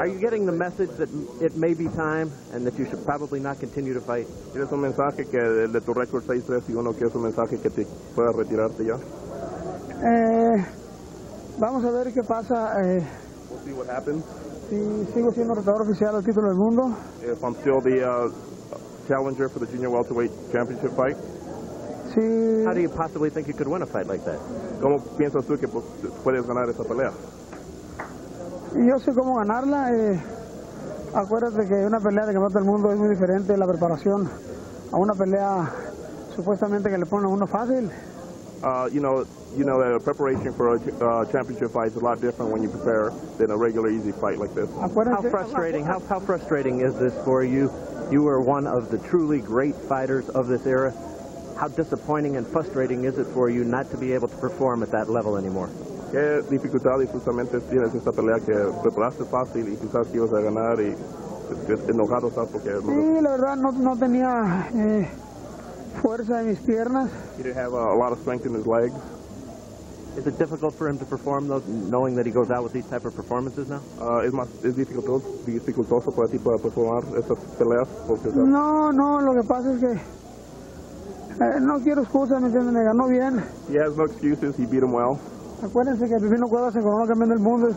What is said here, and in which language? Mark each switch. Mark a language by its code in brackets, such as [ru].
[en] Are you getting the message that it may be time and that you should probably not continue to fight? [es] ¿Quieres un mensaje que de tu récord 6-3-1 quieres un mensaje que te pueda retirarte ya? Vamos a ver qué pasa. [en] We'll see what happens. [es] Si sigo siendo retador oficial al título del mundo. [en] If I'm still the challenger for the junior welterweight championship fight. [es] Si. [en] How do you possibly think you could win a fight like that? [es] ¿Cómo piensas tú que puedes ganar esa pelea? Yo sé cómo ganarla. Acuérdate que una pelea de campeonato del mundo es muy diferente la preparación a una pelea supuestamente que le pone a uno fácil. [en] You know that a preparation for a championship fight is a lot different when you prepare than a regular easy fight like this. How frustrating is this for you? You were one of the truly great fighters of this era. How disappointing and frustrating is it for you not to be able to perform at that level anymore? [es] Qué dificultad y frustrante tienes esta pelea que preparaste fácil y quizás ibas a ganar y enojado estás porque. Sí, la verdad no tenía fuerza en mis piernas. [en] He didn't have a lot of strength in his legs. Is it difficult for him to perform, though, knowing that he goes out with these type of performances now? [es] Es dificultoso para ti para performar estas peleas? No, lo que pasa es que no quiero excusas, me entiendes, me ganó bien. [en] He has no excuses, he beat him well. [es] Acuérdense que el primer cuadro se coronó campeón del mundo.